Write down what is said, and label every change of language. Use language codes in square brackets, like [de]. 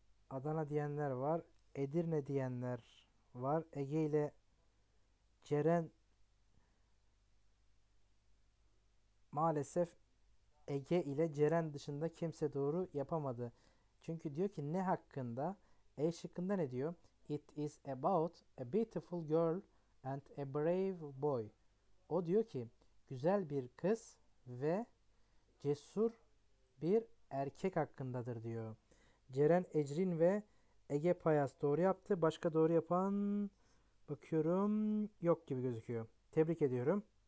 [tr] Adana diyenler var. Edirne diyenler var. Ege ile Ceren maalesef Ege ile Ceren dışında kimse doğru yapamadı. Çünkü diyor ki ne hakkında? E şıkkında ne diyor? [en] It is about a beautiful girl and a brave boy. [tr] O diyor ki güzel bir kız ve cesur bir erkek hakkındadır diyor. Ceren Ecrin ve Ege Payas doğru yaptı. Başka doğru yapan bakıyorum yok gibi gözüküyor. Tebrik ediyorum.